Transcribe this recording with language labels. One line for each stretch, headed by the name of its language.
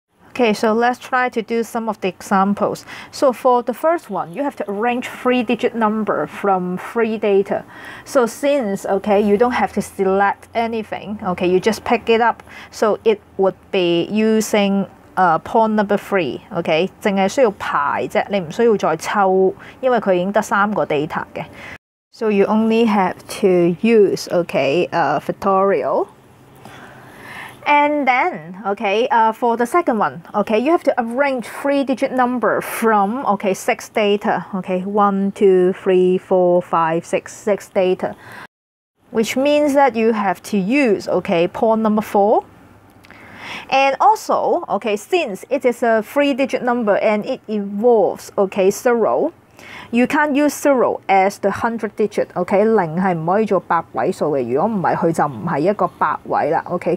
English: Okay, so let's try to do some of the examples. So for the first one, you have to arrange three-digit number from three data. So since, okay, you don't have to select anything, okay, you just pick it up. So it would be using pawn number three, okay?
Cantonese: 只需要排啫, 你不需要再抽, 因为它已经只有三个 data嘅。
English: So you only have to use, okay, factorial. And then, okay, for the second one, okay, you have to arrange three-digit number from, okay, six data, okay, 1, 2, 3, 4, 5, 6, six data, which means that you have to use, okay, pawn number four. And also, okay, since it is a three-digit number and it involves, okay, zero, you can't use zero as the 100 digit, okay?
Cantonese: 0是不可以做百位数的, 如果不是它就不是一个百位了, okay?